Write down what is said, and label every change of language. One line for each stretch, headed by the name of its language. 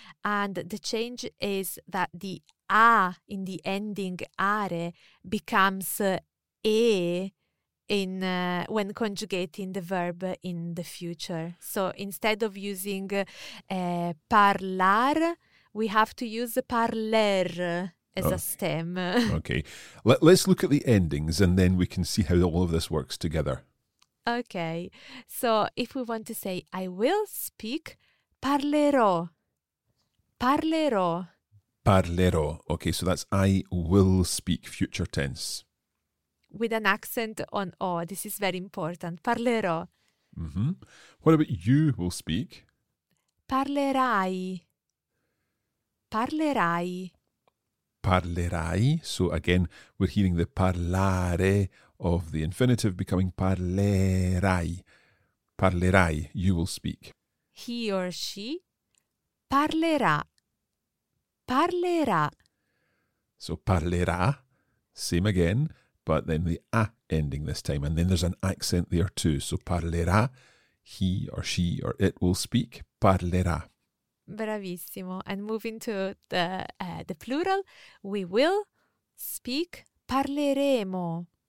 English: And the change is that the a in the ending are becomes e in when conjugating the verb in the future. So instead of using parlar, we have to use parler as a stem. Okay, let's look at the endings and then we can see how all of this works together. Okay, so if we want to say, I will speak, parlerò, parlerò. Parlerò, okay, so that's I will speak, future tense. With an accent on O, this is very important, parlerò. Mm-hmm. What about you will speak?
Italian: Parlerai, parlerai.
English: Parlerai, so again, we're hearing the parlare of the infinitive becoming parlerai, parlerai, you will speak. He or she parlerà, parlerà. So parlerà, same again, but then the a ending this time, and then there's an accent there too. So parlerà, he or she or it will speak, parlerà. Bravissimo. And moving to the plural, we will speak, parleremo.